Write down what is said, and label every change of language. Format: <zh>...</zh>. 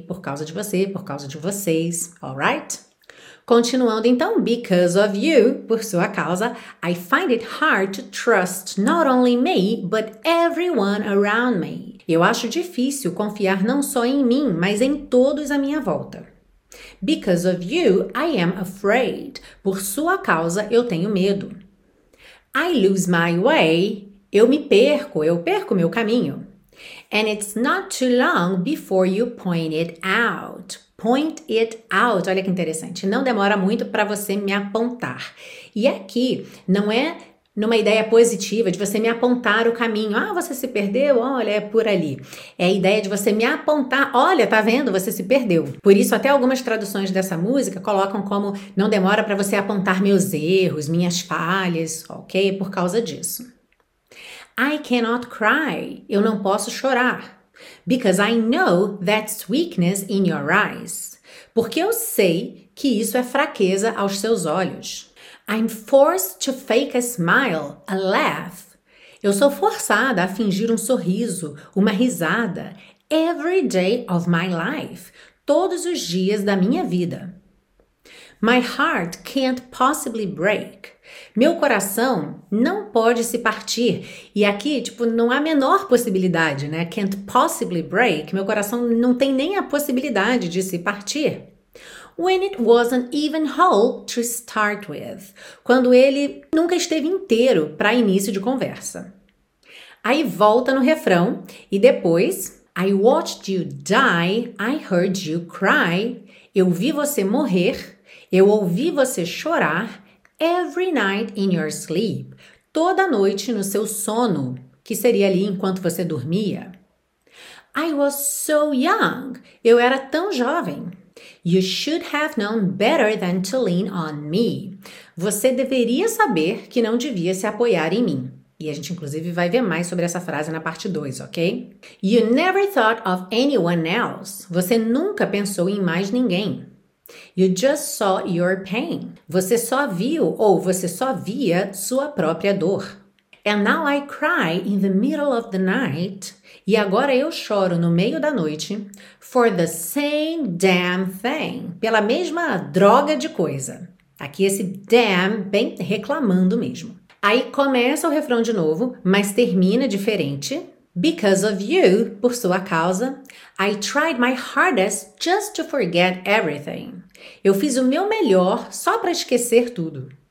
<pt>Por causa de você, por causa de vocês, alright? Continuando então,</pt> <en>because of you,</en> <pt>por sua causa,</pt> <en>I find it hard to trust not only me, but everyone around me.</en> <pt>Eu acho difícil confiar não só em mim, mas em todos à minha volta.</pt> <en>Because of you, I am afraid.</en> <pt>Por sua causa, eu tenho medo.</pt> <en>I lose my way.</en> <pt>Eu me perco, eu perco meu caminho.</pt> <en>And it's not too long before you point it out. Point it out.</en> <pt>Olha que interessante. Não demora muito para você me apontar. E aqui, não é numa ideia positiva de você me apontar o caminho. Ah, você se perdeu? Olha, é por ali. É a ideia de você me apontar. Olha, tá vendo? Você se perdeu. Por isso, até algumas traduções dessa música colocam como não demora para você apontar meus erros, minhas falhas, ok? Por causa disso.</pt> <en>I cannot cry.</en> <pt>Eu não posso chorar.</pt> <en>Because I know that's weakness in your eyes.</en> <pt>Porque eu sei que isso é fraqueza aos seus olhos.</pt> <en>I'm forced to fake a smile, a laugh.</en> <pt>Eu sou forçada a fingir um sorriso, uma risada,</pt> <en>every day of my life,</en> <pt>todos os dias da minha vida.</pt> <en>My heart can't possibly break.</en> <pt>Meu coração não pode se partir. E aqui, tipo, não há a menor possibilidade, né?</pt> <en>Can't possibly break.</en> <pt>Meu coração não tem nem a possibilidade de se partir.</pt> <en>When it wasn't even whole to start with.</en> <pt>Quando ele nunca esteve inteiro para início de conversa. Aí volta no refrão e depois</pt> <en>I watched you die, I heard you cry.</en> <pt>Eu vi você morrer, eu ouvi você chorar.</pt> <en>Every night in your sleep.</en> <pt>Toda noite no seu sono, que seria ali enquanto você dormia.</pt> <en>I was so young.</en> <pt>Eu era tão jovem.</pt> <en>You should have known better than to lean on me.</en> <pt>Você deveria saber que não devia se apoiar em mim. E a gente, inclusive, vai ver mais sobre essa frase na parte 2, ok?</pt> <en>You never thought of anyone else.</en> <pt>Você nunca pensou em mais ninguém.</pt> <en>You just saw your pain.</en> <pt>Você só viu ou você só via sua própria dor.</pt> <en>And now I cry in the middle of the night.</en> <pt>E agora eu choro no meio da noite</pt> <en>for the same damn thing,</en> <pt>pela mesma droga de coisa. Aqui esse damn bem reclamando mesmo. Aí começa o refrão de novo, mas termina diferente.</pt> <en>Because of you,</en> <pt>por sua causa,</pt> <en>I tried my hardest just to forget everything.</en> <pt>Eu fiz o meu melhor só para esquecer tudo.</pt>